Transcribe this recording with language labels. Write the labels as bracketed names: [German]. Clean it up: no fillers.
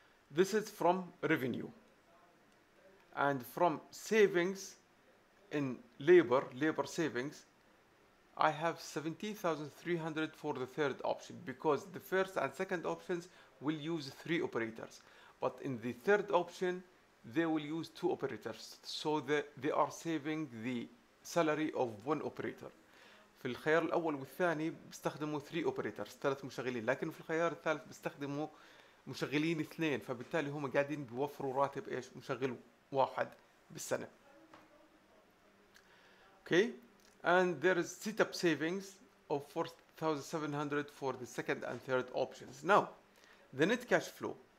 [English] This is from revenue. And from savings in labor savings, I have $17,300 for the third option because the first and second options will use 3 operators. But in the third option, they will use 2 operators. So they are saving the salary of 1 operator. [Arabic] في الخيار الأول والثاني بيستخدموا 3 operators, 3 مشغلين. لكن في الخيار الثالث بيستخدموا مشغلين اثنين، فبالتالي هم قاعدين بيوفروا راتب ايش؟ مشغل واحد بالسنه. اوكي. [English] And there is setup savings of 4,700 for the second and third options. Now, the net cash flow.